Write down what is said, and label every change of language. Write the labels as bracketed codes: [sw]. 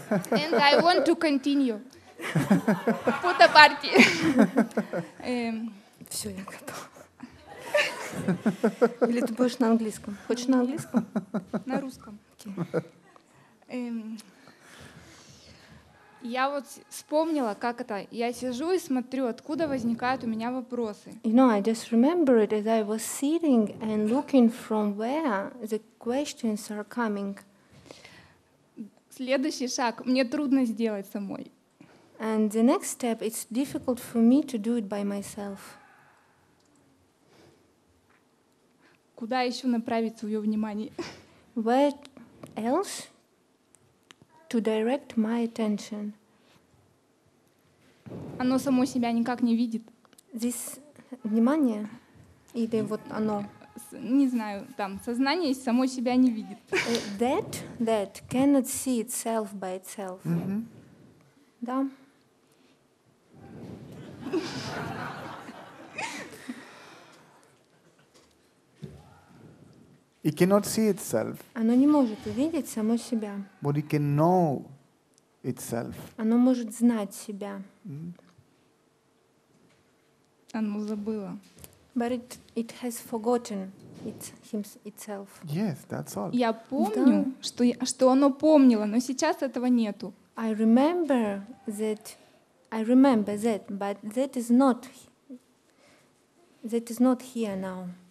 [en] And I want to continue for the party. [ru] Все, я готова. Или ты будешь на английском? Хочешь на английском? На русском. Я вот вспомнила, как это. Я сижу и смотрю, откуда возникают у меня вопросы. [en] You know, I just remembered as I was sitting and looking from where the questions are coming. [ru] Следующий шаг мне трудно сделать самой. [en] And the next step, it's difficult for me to do it by myself. [ru] Куда еще направить свое внимание? [en] Where else to direct my attention? [ru] Оно само себя никак не видит. [en] This [ru] внимание или вот оно? Не знаю, там сознание само себя не видит. [en] That cannot see itself by itself. Mm-hmm. [ru] Да. [en] It cannot see itself. [ru] Оно не может увидеть само себя. [en] But it can know itself. [ru] Оно может знать себя. Оно забыло. [en] But it has forgotten itself. Yes, that's all. [ru] Я помню, что оно помнило, но сейчас этого нету. [en] I remember that, but that is not here now.